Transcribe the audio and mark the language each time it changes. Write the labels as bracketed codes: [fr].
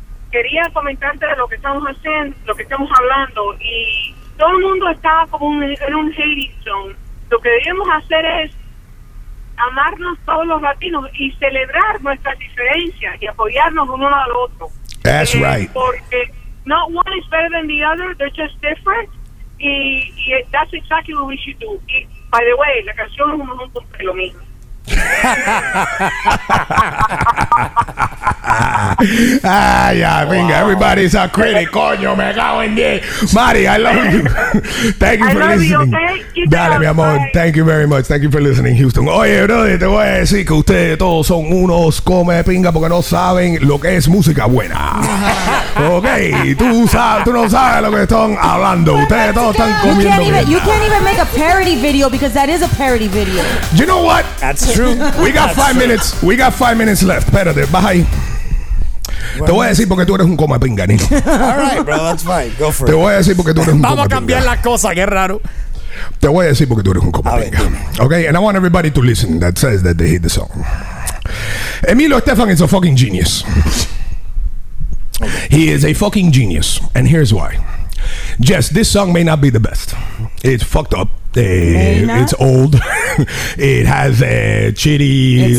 [es] Quería comentarte de lo que estamos haciendo, lo que estamos hablando, y todo el mundo estaba como en un [en] hating zone. [es] Lo que debíamos hacer es amarnos todos los latinos y celebrar nuestras diferencias y apoyarnos uno al otro. [en] That's right. [es] Porque [en] not one is better than the other, they're just different. [es] Y [en] that's exactly what we should do. [es] Y, [en] by the way, [es] la canción es un montón de lo mismo. [en] Ah, yeah, venga, wow. Everybody's a critic, [es] coño, me cago en diez. [en] Mari, I love you. Thank you I for listening. You, okay? [es] Dale, mi amor. [en] Bye. Thank you very much. Thank you for listening, Houston. [es] Oye, brother, te voy a decir que ustedes todos son unos come pinga porque no saben lo que es música buena. Okay, tú no sabes lo que están hablando. But ustedes todos están comiendo. [en] You can't even make a parody video because that is a parody video. You know what? That's true. We got 5 minutes. We got 5 minutes left. [es] Espérate, baja ahí. Bueno. Te voy a decir porque tú eres un coma pinganito. [en] Alright, bro, that's fine. Go for it. [es] Te voy a decir porque tú eres un coma pinganito. Vamos a cambiar la cosa, qué raro. Te voy a decir porque tú eres un coma pinganito. [en] Okay, and I want everybody to listen that says that they hate the song. Emilio Estefan is a fucking genius. Okay. He is a fucking genius. And here's why. Yes, this song may not be the best. It's fucked up. It's old. It has a chitty,